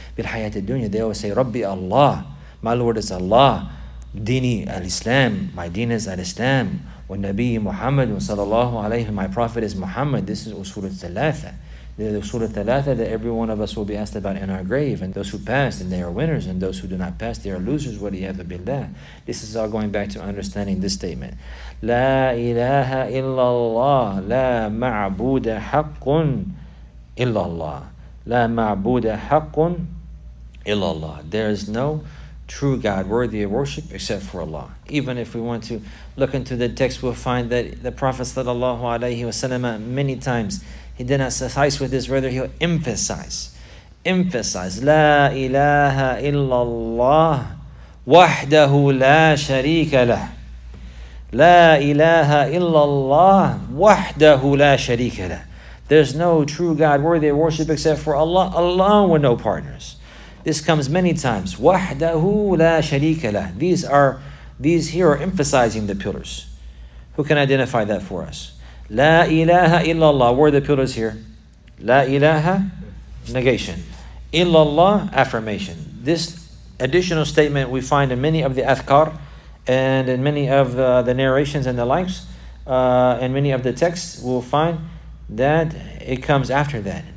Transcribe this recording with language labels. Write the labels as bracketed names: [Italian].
[Arabic] بِالْحَيَاةِ الدُّنْيَا, [English] they will say, رَبِّ Allah, my Lord is Allah. [Arabic] Dini al-Islam, [English] my deen is al-Islam. [Arabic] والنبي محمد صلى الله عليه وسلم, [English] my prophet is Muhammad. This is usul al-thalatha. They're the usul al-thalatha that every one of us will be asked about in our grave. And those who pass, and they are winners. And those who do not pass, they are losers. [Arabic] وَلِيَاذُ بِاللَّهِ. [English] This is all going back to understanding this statement. [Arabic] لا إله إلا الله لا معبود حق إلا الله لا معبود حق إلا الله. [English] There is no true God worthy of worship except for Allah. Even if we want to look into the text, we'll find that the Prophet sallallahu alaihi wasallam, many times he did not suffice with this, rather he'll emphasize [Arabic] لا إله إلا الله وحده لا شريك له. لا إله إلا الله وحده لا شريك له. [English] There's no true God worthy of worship except for Allah, alone with no partners. This comes many times. [Arabic] وحده لا شريك له. [English] These here are emphasizing the pillars. Who can identify that for us? [Arabic] لا إله إلا الله. [English] Where are the pillars here? [Arabic] لا إله, negation. إلا الله, affirmation. [English] This additional statement we find in many of the أذكار, and in many of the narrations and the likes, and many of the texts, we'll find that it comes after that.